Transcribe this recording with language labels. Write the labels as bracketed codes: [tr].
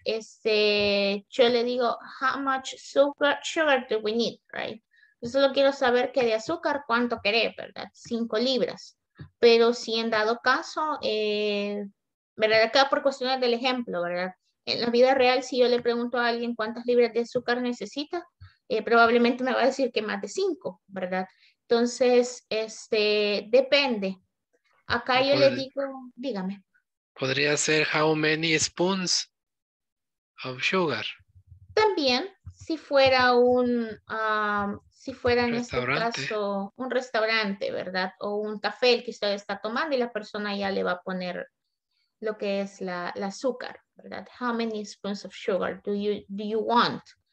[es] Yo le digo, [en] how much sugar do we need, right? [es] Yo solo quiero saber que de azúcar, ¿cuánto querés, verdad? 5 libras. Pero si en dado caso, ¿verdad? Acá por cuestiones del ejemplo, ¿verdad? En la vida real, si yo le pregunto a alguien cuántas libras de azúcar necesita, probablemente me va a decir que más de 5, ¿verdad? Entonces, depende. Acá yo le digo, dígame. Podría ser [en] how many spoons of sugar. [es] También, si fuera en este caso un restaurante, ¿verdad? O un café el que usted está tomando y la persona ya le va a poner lo que es la azúcar, ¿verdad? [en] How many spoons of sugar do you want?